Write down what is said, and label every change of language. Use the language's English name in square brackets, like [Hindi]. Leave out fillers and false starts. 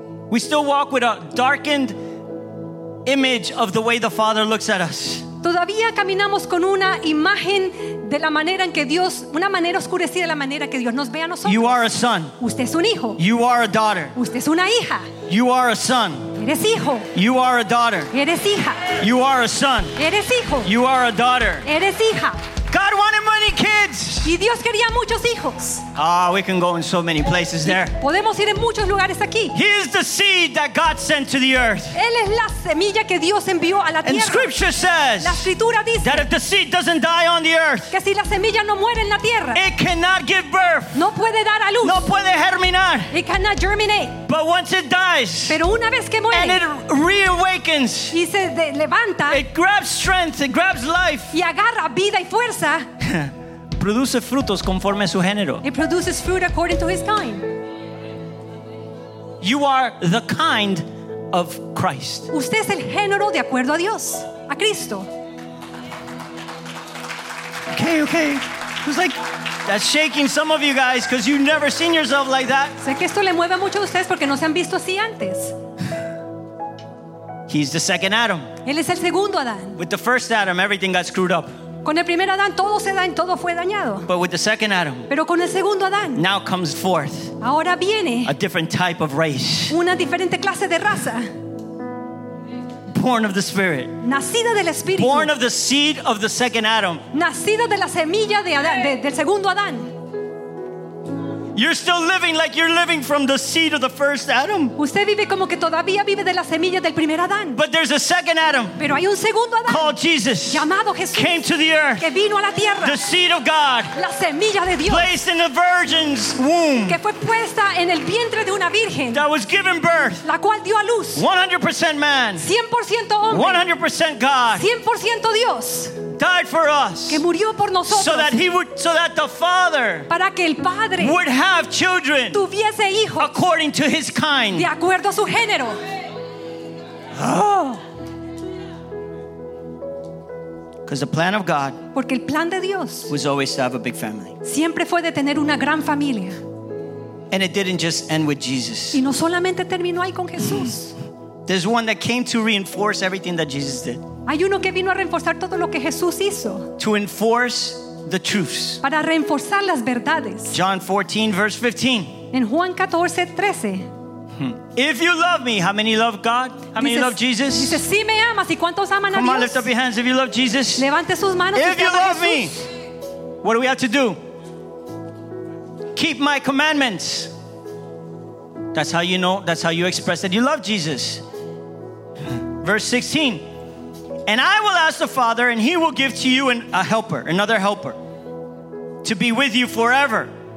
[English] We still walk with a darkened image of the way the Father looks at us. [Spanish] Todavía caminamos con una imagen de la manera en que Dios, una manera oscurecida de la manera que Dios nos ve a nosotros. [English] You are a son. [Spanish] Usted es un hijo. [English] You are a daughter. [Spanish] Usted es una hija. [English] You are a son. [Spanish] Eres hijo. [English] You are a daughter. [Spanish] Eres hija. [English] You are a son. [Spanish] Eres hijo. [English] You are a daughter. [Spanish] Eres hija. [English] God wanted many kids. [Spanish] Y Dios quería muchos hijos. [English] Ah, we can go in so many places there. [Spanish] Podemos ir en muchos lugares aquí. [English] He is the seed that God sent to the earth. [Spanish] Él es la semilla que Dios envió a la tierra. [English] And Scripture says, [Spanish] la escritura dice, [English] that if the seed doesn't die on the earth, [Spanish] que si la semilla no muere en la tierra, [English] it cannot give birth. [Spanish] No puede dar a luz. No puede germinar. [English] It cannot germinate. But once it dies, [Spanish] pero una vez que muere, [English] and it reawakens, [Spanish] y se levanta, [English] it grabs strength, it grabs life, [Spanish] y agarra vida y fuerza. Produce frutos conforme a su género. [English] It produces fruit according to his kind. You are the kind of Christ. [Spanish] Usted es el género de acuerdo a Dios, a Cristo. [English] Okay, okay. It's like that's shaking some of you guys because you've never seen yourself like that. [Spanish] Sé que esto le mueve mucho a ustedes porque no se han visto así antes. [English] He's the second Adam. [Spanish] Él es el segundo Adán. [English] With the first Adam, everything got screwed up. [Spanish] Con el primer Adán todo se da, todo fue dañado. [English] But with the second Adam, [Spanish] pero con el segundo Adán, [English] now comes forth, [Spanish] ahora viene, [English] a different type of race, [Spanish] una diferente clase de raza, [English] born of the Spirit, [Spanish] nacida del Espíritu, [English] born of the seed of the second Adam, [Spanish] nacida de la semilla de Adán, del segundo Adán. [English] You're still living like you're living from the seed of the first Adam. [Spanish] Usted vive como que todavía vive de la semilla del primer Adán. [English] But there's a second Adam. [Spanish] Pero hay un segundo Adán. [English] Called Jesus. [Spanish] Llamado Jesús. [English] Came to the earth. [Spanish] Que vino a la tierra. [English] The seed of God. [Spanish] La semilla de Dios. [English] Placed in the virgin's womb. [Spanish] Que fue puesta en el vientre de una virgen. [English] That was given birth. [Spanish] La cual dio a luz. [English] 100% man. [Spanish] 100% hombre. [English] 100% God. [Spanish] 100% Dios. [English] Died for us. [Spanish] Que murió por nosotros. [English] So that he would, so that the Father, [Spanish] para que el Padre, [English] would have children, [Spanish] tuviese hijos, [English] according to his kind, [Spanish] de acuerdo a su género. [English] Because the plan of God, [Spanish] porque el plan de Dios, [English] was always to have a big family. [Spanish] Siempre fue de tener una gran familia. [English] And it didn't just end with Jesus. [Spanish] Y no solamente terminó ahí con Jesús. [English] There's one that came to reinforce everything that Jesus did. [Spanish] Hay uno que vino a reforzar todo lo que Jesús hizo. [English] To enforce the truths. [Spanish] Para reforzar las verdades. [English] John 14, verse 15. [Spanish] En Juan 14, 13. [English] If you love me, how many love God? How many love Jesus? [Spanish] Dice, si me amas, ¿y cuántos aman a Dios? [English] Come on, lift up your hands if you love Jesus. [Spanish] Levante sus manos [English] if you love me, what do we have to do? Keep my commandments. That's how you know, that's how you express that you love Jesus. Verse 16. And I will ask the Father, and he will give to you a helper, another helper, to be with you forever.